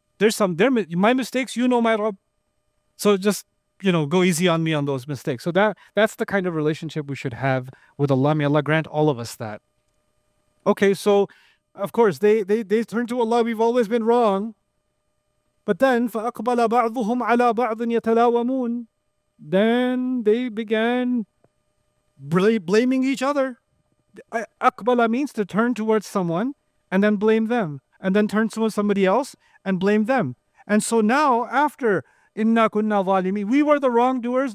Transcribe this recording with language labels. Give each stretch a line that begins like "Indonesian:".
English: My mistakes, you know my Rabb. So just, you know, go easy on me on those mistakes. So that's the kind of relationship we should have with Allah. May Allah grant all of us that. Okay, so of course, they turn to Allah, we've always been wrong. But then,
Arabic: فَأَقْبَلَ بَعْضُهُمْ عَلَىٰ بَعْضٍ يَتَلَاوَمُونَ.
English: Then they began blaming each other. أَقْبَلَ means to turn towards someone and then blame them. And then turn towards somebody else and blame them. And so now, after
Arabic: إِنَّا كُنَّا ظَالِمِينَ,
English: we were the wrongdoers.